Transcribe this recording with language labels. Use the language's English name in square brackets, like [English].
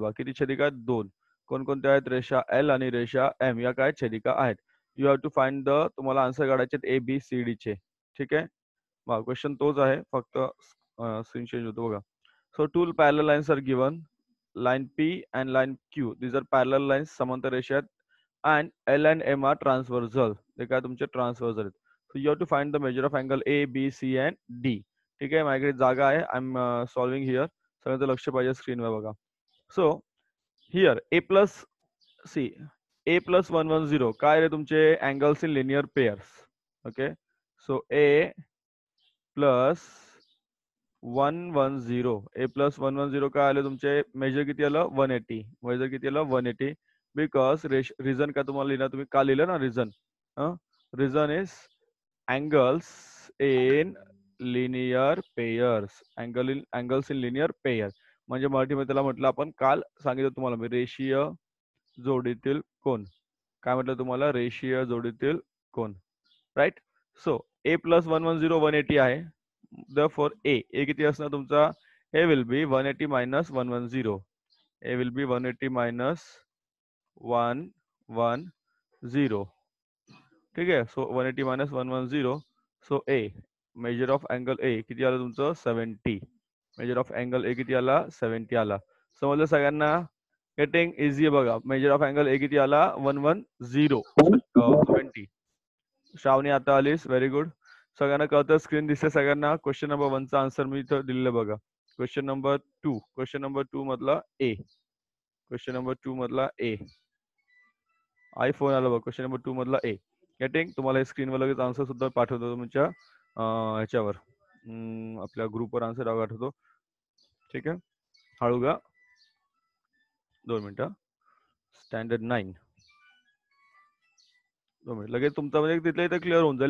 [Marathi] बघा किती छेदिका आहेत, दोन. कोणकोणत्या आहेत? रेषा एल आणि रेषा एम, या काय छेदिका आहेत. [English] you have to find the, [Marathi] तुम्हाला आन्सर काढायचे आहेत ए बी सी डी चे. ठीक आहे, बघा क्वेश्चन तोच आहे, फक्त स्क्रीन चेंज होतो. [English] बघा, so two parallel lines are given, line P and line Q. These are parallel lines, [Marathi] समांतर रेषा आहेत. [English] And L and M are transversal. They are your transversal. So you have to find the measure of angle A, B, C and D. Okay, my grade is a place. I am solving here. So let's look at the screen. So here A plus C. A plus 110. What are your angles in linear pairs? Okay. So A plus 110. A plus 110. What are your measure? 180. Measure is 180. [Marathi] Because reason का तुम्हाला लिहिणार, तुम्ही का लिहिलं ना reason. [English] Reason is angles in linear pairs, angle in angles in linear pair. [Marathi] म्हणजे मराठीमध्ये त्याला म्हटलं, आपण काल सांगितलं तुम्हाला मी रेषीय जोडीतील कोण. काय म्हटलं तुम्हाला? रेषीय जोडीतील कोण, राईट? सो ए प्लस 110 180 आहे. देअरफॉर ए किती असणार तुमचा? [English] A will be 180 minus 110. A will be 180 minus 110. [Marathi] ठीक आहे, [English] So 180 minus 110. So a measure of angle A [Marathi] किती आलं तुमचं? 70. [English] measure of angle A [Marathi] किती आला? 70 आला. समजलं सगळ्यांना? [English] Getting easy. बघा, measure of angle A [Marathi] किती आला? 110. 70. श्रावणी आता आलीस, [English] Very good. [Marathi] सगळ्यांना कळतं, स्क्रीन दिसते सगळ्यांना. क्वेश्चन नंबर 1 चा आन्सर मी इथं दिलेलं बघा. क्वेश्चन नंबर 2, क्वेश्चन नंबर 2 मधला ए, क्वेश्चन नंबर 2 मधला ए. आयफोन आला बघा, क्वेश्चन नंबर 2 मधला ए. गेटिंग? तुम्हाला स्क्रीनवर लगेच आन्सर सुद्धा पाठवतो, तुमच्या ह्याच्यावर आपल्या ग्रुपवर आन्सर पाठवतो. ठीक आहे, हळू गा, 2 मिनिटं. स्टँडर्ड 9, 2 मिनिट लगेच तुमचा म्हणजे तिथल्या इथे क्लिअर होऊन जाईल.